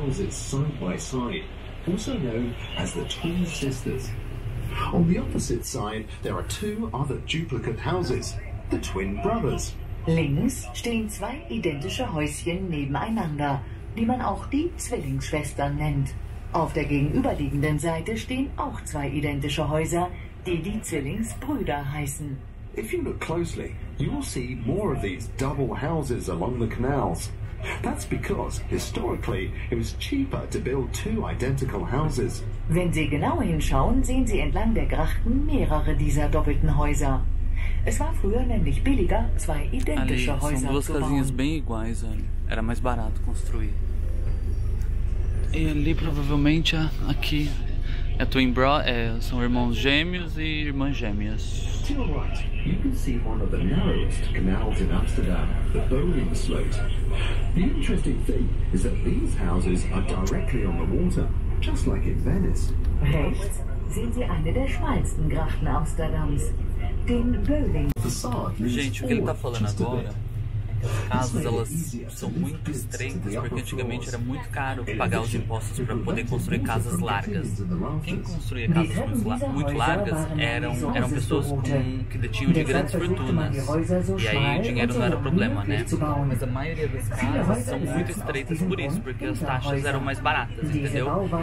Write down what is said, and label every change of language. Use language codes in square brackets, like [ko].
[en] side by side, also known as the Twin Sisters. On the opposite side, there are two other duplicate houses, the Twin Brothers. [de] Links stehen zwei identische Häuschen nebeneinander, die man auch die Zwillingsschwestern nennt. Auf der gegenüberliegenden Seite stehen auch zwei identische Häuser, die die Zwillingsbrüder heißen. [en] If you look closely, you will see more of these double houses along the canals. That's because, historically, it was cheaper to build two identical houses. [de] Wenn Sie genau hinschauen, sehen Sie entlang der Grachten mehrere dieser doppelten Häuser. Es war früher nämlich billiger, zwei identische [pt] ali, [de] Häuser zu bauen. [pt] São duas casinhas bem iguais, olha. Era mais barato construir. E ali, provavelmente, aqui, é [en] twin bro, [pt] é, são irmãos gêmeos e irmãs gêmeas. [en] To your right, you can see one of the narrowest canals in Amsterdam, the Bowling Slot. The interesting thing is that these houses are directly on the water, just like in Venice. [de] Rechts sehen Sie eine der schmalsten Grachten Amsterdams, den Bowling. [pt] Gente, o que ele tá falando agora? As casas, elas são muito estreitas, porque antigamente era muito caro pagar os impostos para poder construir casas largas. Quem construía casas muito largas eram pessoas que detinham de grandes fortunas. E aí o dinheiro não era problema, né? Mas a maioria das casas são muito estreitas por isso, porque as taxas eram mais baratas, entendeu?